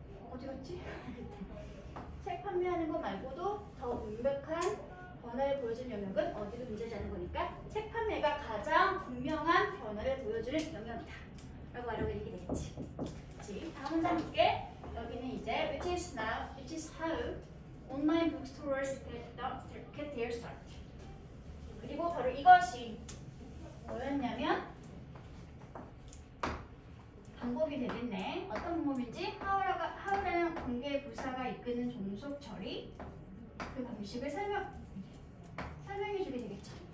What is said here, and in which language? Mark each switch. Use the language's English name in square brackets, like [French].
[Korean] 어디갔지? 책 판매하는 거 말고도 더 명백한 변화를 보여주는 영역은 어디도 존재하지 않은 거니까 책 판매가 가장 분명한 변화를 보여주는 영역이다 라고 말하고 있는 게 되겠지. 그치? 다음 문장 볼게. 여기는 이제 [English] Which is now, which is how online bookstores get their start. [Korean] 그리고 바로 이것이 뭐였냐면 방법이 되겠네. 어떤 방법인지 하우라는 공개 부사가 이끄는 종속 처리 그 방식을 설명해 주게 되겠죠.